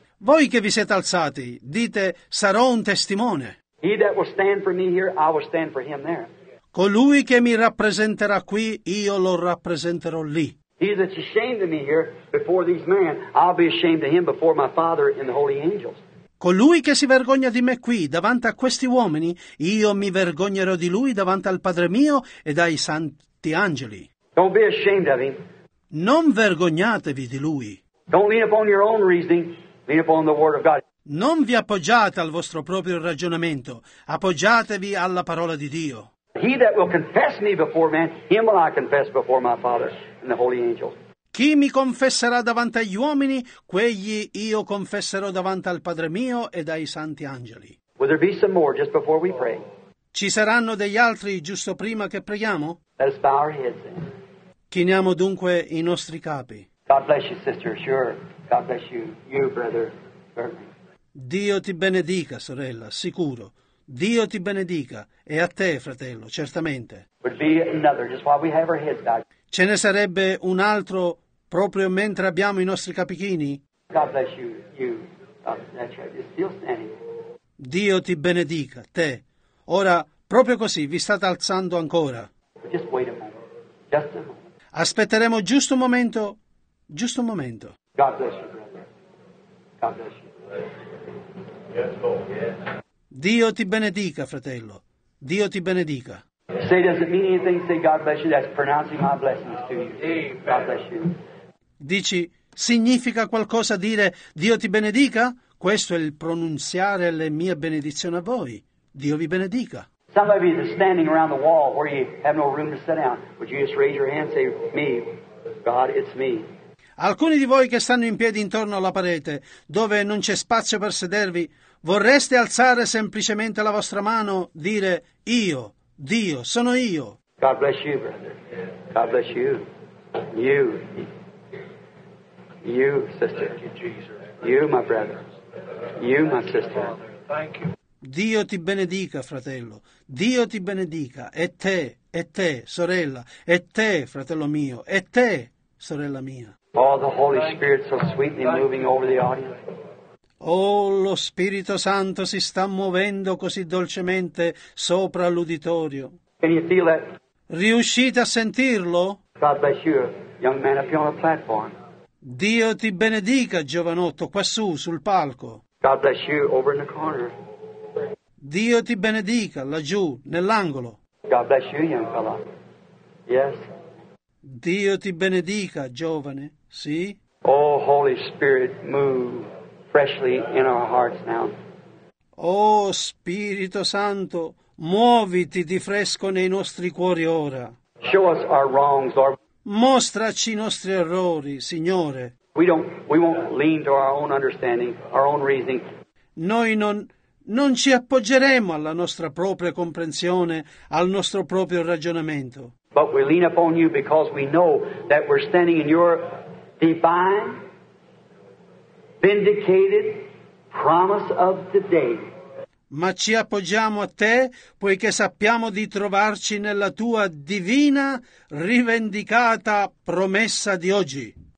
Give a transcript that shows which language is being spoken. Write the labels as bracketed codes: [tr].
[it] Voi che vi siete alzati, dite, sarò un testimone. [en] He that will stand for me here, I will stand for him there. [it] Colui che mi rappresenterà qui, io lo rappresenterò lì. [en] He that's ashamed of me here before these men, I'll be ashamed of him before my Father and the holy angels. [it] Colui che si vergogna di me qui, davanti a questi uomini, io mi vergognerò di lui davanti al Padre mio e dai santi angeli. [en] Don't be ashamed of him. [it] Non vergognatevi di lui. [en] Don't lean upon your own reasoning. Lean upon the word of God. [it] Non vi appoggiate al vostro proprio ragionamento. Appoggiatevi alla parola di Dio. [en] He that will confess me before man, him will I confess before my Father and the holy angels. [it] Chi mi confesserà davanti agli uomini, quegli io confesserò davanti al Padre mio e dai santi angeli. [en] Will there be some more just before we pray? [it] Ci saranno degli altri giusto prima che preghiamo? [en] Let us bow our heads then. [it] Chiniamo dunque i nostri capi. [en] God bless you, sister. Sure. God bless you. You, brother. [it] Dio ti benedica, sorella, sicuro. Dio ti benedica, e a te, fratello, certamente. [en] Would be another, just while we have our heads, God. [it] Ce ne sarebbe un altro proprio mentre abbiamo i nostri capichini? [en] God bless you, you. That's right. It's still standing. [it] Dio ti benedica, te. Ora, proprio così, vi state alzando ancora. [en] Just wait a moment. Just a moment. [it] Aspetteremo giusto un momento. Giusto un momento. [en] God bless you, brother. God bless you. Yes, Lord. Yes. [it] Dio ti benedica, fratello. Dio ti benedica. [en] Say, does it mean anything? Say, God bless you. That's pronouncing my blessings to you. God bless you. [it] Dici, significa qualcosa dire Dio ti benedica? Questo è il pronunziare le mie benedizioni a voi. Dio vi benedica. [en] Somebody that's standing around the wall where you have no room to sit down, would you just raise your hand and say, me, God, it's me. [it] Alcuni di voi che stanno in piedi intorno alla parete, dove non c'è spazio per sedervi, vorreste alzare semplicemente la vostra mano, dire, io, Dio, sono io. [en] God bless you, brother. God bless you. You. You, sister. You, my brother. You, my sister. Thank you. [it] Dio ti benedica, fratello. Dio ti benedica. E te, sorella. E te, fratello mio. E te, sorella mia. [en] Oh, the Holy Spirit so sweetly moving over the audience. [it] Oh, lo Spirito Santo si sta muovendo così dolcemente sopra l'uditorio. [en] Can you feel it? [it] Riuscite a sentirlo? [en] God bless you, young man up on the platform. [it] Dio ti benedica, giovanotto, quassù, sul palco. [en] God bless you, over in the corner. [it] Dio ti benedica, laggiù, nell'angolo. [en] God bless you, young fellow. Yes. [it] Dio ti benedica, giovane, sì. [en] Oh, Holy Spirit, move freshly in our hearts now. [it] Oh, Spirito Santo, muoviti di fresco nei nostri cuori ora. [en] Show us our wrongs, Lord. [it] Mostraci i nostri errori, Signore. [en] We won't lean to our own understanding, our own reasoning. [it] Noi non ci appoggeremo alla nostra propria comprensione, al nostro proprio ragionamento. [en] But we lean upon you because we know that we're standing in your divine, vindicated promise of the day. [it] Ma ci appoggiamo a te poiché sappiamo di trovarci nella tua divina, rivendicata promessa di oggi.